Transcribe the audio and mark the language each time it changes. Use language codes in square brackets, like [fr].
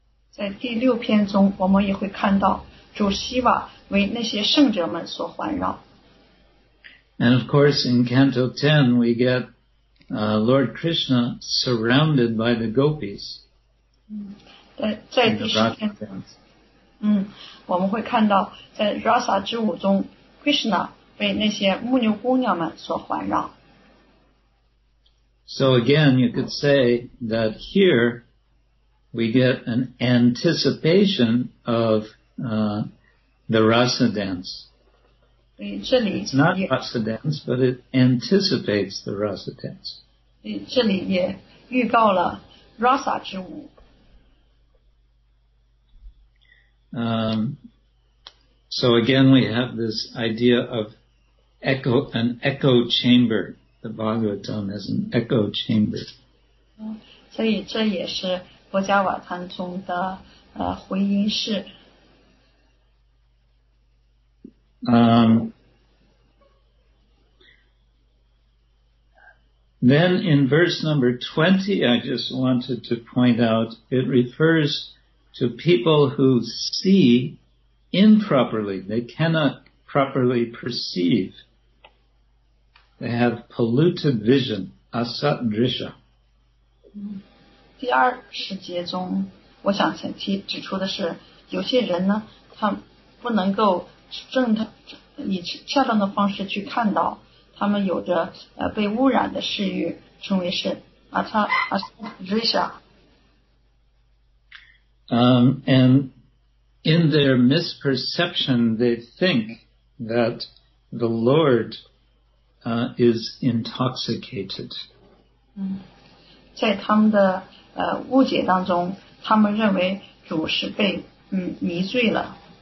[zh] 在第六篇中我们也会看到主希瓦为那些圣者们所环绕。 [en] And of course in Canto 10 we get Lord Krishna surrounded by the gopis. [zh] 在第十篇中我们会看到在 Rasa 之舞中 Krishna 为那些牧牛姑娘们所环绕。 [en] So again, you could say that here we get an anticipation of the Rasa dance. [zh] 对，这里 [en] It's not Rasa dance, but it anticipates the Rasa dance. [zh] 对，这里也预告了 Rasa 之舞。 [en] So again, we have this idea of an echo chamber. The Bhagavatam is an echo chamber. [zh] 所以这也是波迦瓦坛中的回音室。 [en] Then in verse number 20, I just wanted to point out, it refers to people who see improperly. They cannot properly perceive. They have polluted vision, asat drisha. [zh] 第二十节中，我想先提指出的是，有些人呢，他不能够正他以恰当的方式去看到，他们有着被污染的视域，称为是asat drisha。 [en] And in their misperception, they think that the Lord is intoxicated. [zh] 在他们的误解当中，他们认为主是被迷醉了。